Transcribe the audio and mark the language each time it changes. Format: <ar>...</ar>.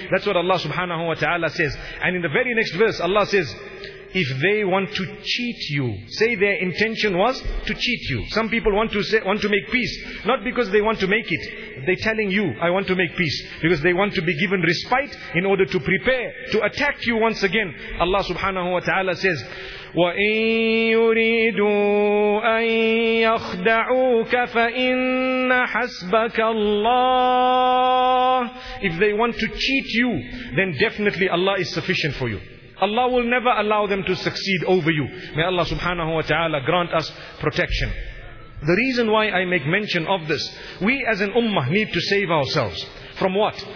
<en>That's what Allah subhanahu wa ta'ala says. And in the very next verse, Allah says, if they want to cheat you, say their intention was to cheat you. Some people want to make peace, not because they want to make it. They're telling you, I want to make peace, because they want to be given respite in order to prepare to attack you once again. Allah subhanahu wa ta'ala says,</en> <ar>وَإِن يُرِيدُوا أَن يَخْدَعُوكَ فَإِنَّ حَسْبَكَ اللَّهِ.</ar> <en>If they want to cheat you, then definitely Allah is sufficient for you. Allah will never allow them to succeed over you. May Allah subhanahu wa ta'ala grant us protection. The reason why I make mention of this, we as an ummah need to save ourselves. From what?</en>